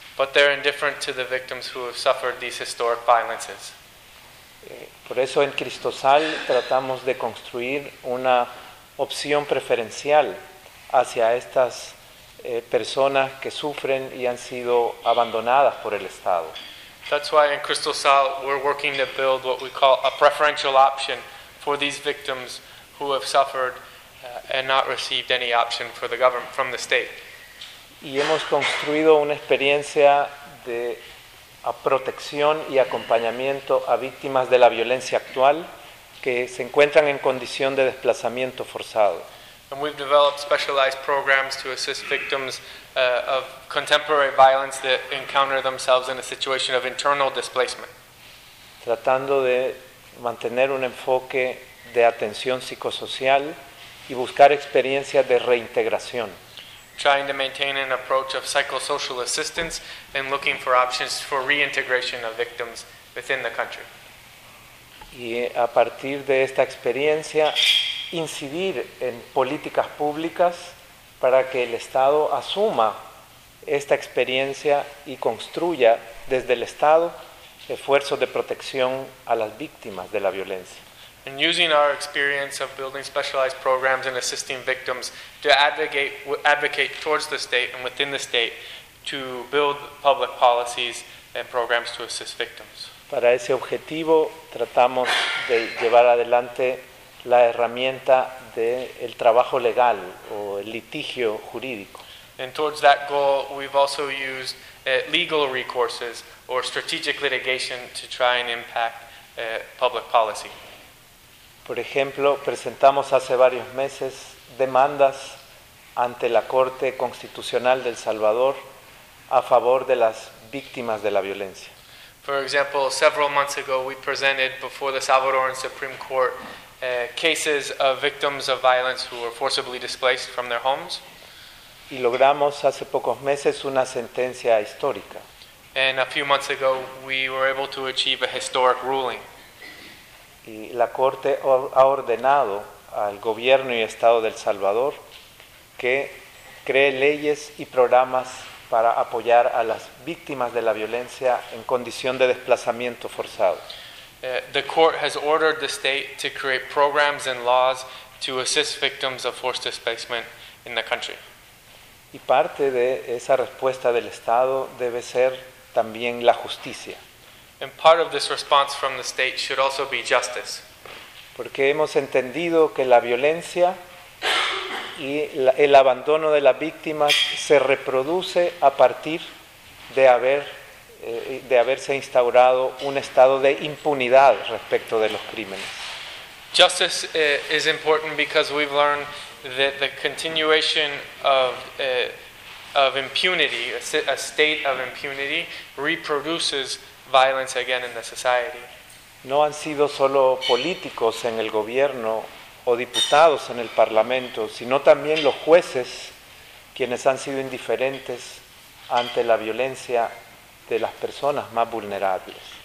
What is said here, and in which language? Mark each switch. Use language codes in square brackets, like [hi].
[en] But they're indifferent to the victims who have suffered these historic violences. [es] Por eso en Cristosal tratamos de construir una opción preferencial hacia estas personas que sufren y han sido abandonadas por el Estado. [en] That's why in Cristosal we're working to build what we call a preferential option for these victims who have suffered and not received any option for the government from the state. [es] Y hemos construido una experiencia de protección y acompañamiento a víctimas de la violencia actual que se encuentran en condición de desplazamiento forzado. [en] And we've developed specialized programs to assist victims of contemporary violence that encounter themselves in a situation of internal displacement. [es] Tratando de mantener un enfoque de atención psicosocial y buscar experiencias de reintegración. [en] Trying to maintain an approach of psychosocial assistance and looking for options for reintegration of victims within the country. [es] Y a partir de esta experiencia, incidir en políticas públicas para que el Estado asuma esta experiencia y construya desde el Estado esfuerzos de protección a las víctimas de la violencia. [en] And using our experience of building specialized programs and assisting victims to advocate towards the state and within the state to build public policies and programs to assist victims. [es] Para ese objetivo, tratamos de llevar adelante la herramienta del trabajo legal o el litigio jurídico. [en] And towards that goal, we've also used legal recourses or strategic litigation to try and impact public policy. [es] Por ejemplo, presentamos hace varios meses demandas ante la Corte Constitucional del Salvador a favor de las víctimas de la violencia. [en] For example, several months ago we presented before the Salvadoran Supreme Court cases of victims of violence who were forcibly displaced from their homes. [es] Y logramos hace pocos meses una sentencia histórica. [en] And a few months ago we were able to achieve a historic ruling. [es] Y la Corte ha ordenado al gobierno y Estado del Salvador que cree leyes y programas para apoyar a las víctimas de la violencia en condición de desplazamiento forzado. [en] The court has ordered the state to create programs and laws to assist victims of forced displacement in the country. [es] Y parte de esa respuesta del Estado debe ser también la justicia. [en] And part of this response from the state should also be justice. [es] Porque hemos entendido que la violencia y el abandono de las víctimas se reproduce a partir de haberse instaurado un estado de impunidad respecto de los crímenes. [en] Justice is important because we've learned that the continuation of impunity, a state of impunity, reproduces violence again in the society. [es] No han sido solo políticos en el gobierno o diputados en el parlamento, sino también los jueces quienes han sido indiferentes ante la violencia de las personas más vulnerables.